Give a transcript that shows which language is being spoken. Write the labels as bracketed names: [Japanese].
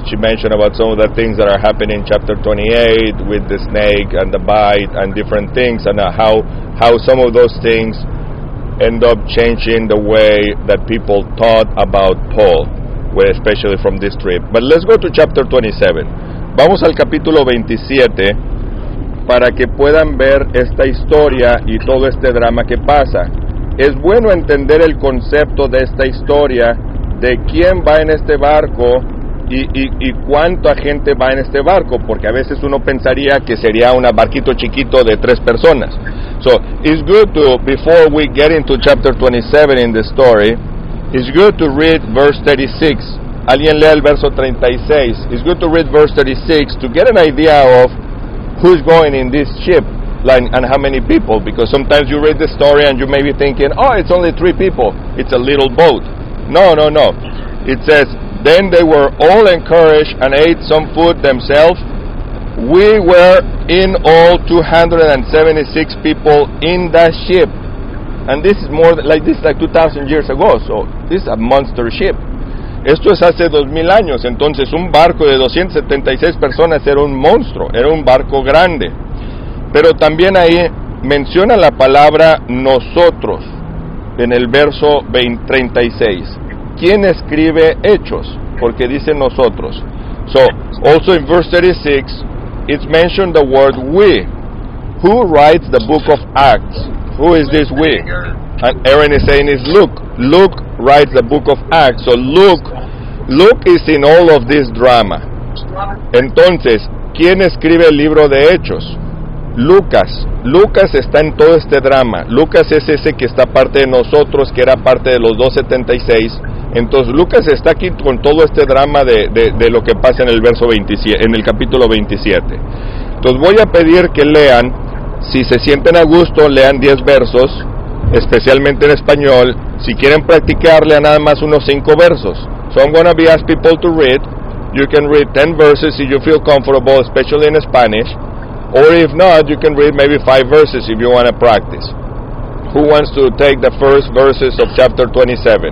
[English] She mentioned about some of the things that are happening in chapter 28 with the snake and the bite and different things, and how some of those things end up changing the way that people thought about Paul, especially from this trip. But let's go to chapter 27. [Spanish] Vamos al capítulo 27 para que puedan ver esta historia y todo este drama que pasa. Es bueno entender el concepto de esta historia, de quién va en este barco y cuánta gente va en este barco, porque a veces uno pensaría que sería un barquito chiquito de 3 personas. [English] So, it's good to, before we get into chapter 27 in the story, it's good to read verse 36. [Spanish] Alguien lea el verso 36. [English] It's good to read verse 36 to get an idea of who's going in this ship. Like, and how many people, because sometimes you read the story and you may be thinking, oh, it's only 3 people, it's a little boat. No, it says, then they were all encouraged and ate some food themselves. We were in all 276 people in that ship, and this is more like, this is like 2,000 years ago, so this is a monster ship. [Spanish] Esto es hace 2,000 años, entonces un barco de 276 personas era un monstruo, era un barco grande. Pero también ahí menciona la palabra nosotros, en el verso 36. ¿Quién escribe Hechos? Porque dice nosotros. [English] So, also in verse 36, it's mentioned the word we. Who writes the book of Acts? Who is this we? And Aaron is saying it's Luke. Luke writes the book of Acts. So Luke is in all of this drama. [Spanish] Entonces, ¿quién escribe el libro de Hechos? Lucas está en todo este drama. Lucas es ese que está parte de nosotros, que era parte de los 276. Entonces Lucas está aquí con todo este drama de lo que pasa en el verso 27, en el capítulo 27. Entonces voy a pedir que lean, si se sienten a gusto, lean 10 versos, especialmente en español. Si quieren practicar, lean nada más unos 5 versos. [English] So I'm going to be asking people to read you can read 10 verses if you feel comfortable, especially in Spanish. Or if not, you can read maybe 5 verses if you want to practice. Who wants to take the first verses of chapter 27?